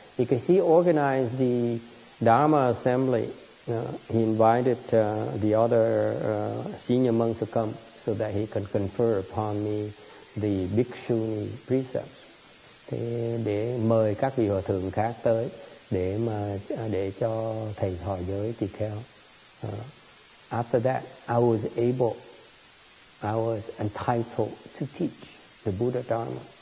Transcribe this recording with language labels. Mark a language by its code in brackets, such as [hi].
[en] Because he organized the Dharma assembly, he invited the other senior monks to come so that he could confer upon me the Bhikshuni precepts. [vi] Thế để mời các vị hòa thượng khác tới để mà để cho thầy hỏi giới tỳ kheo. [en] After that, I was entitled to teach the Buddha Dharma.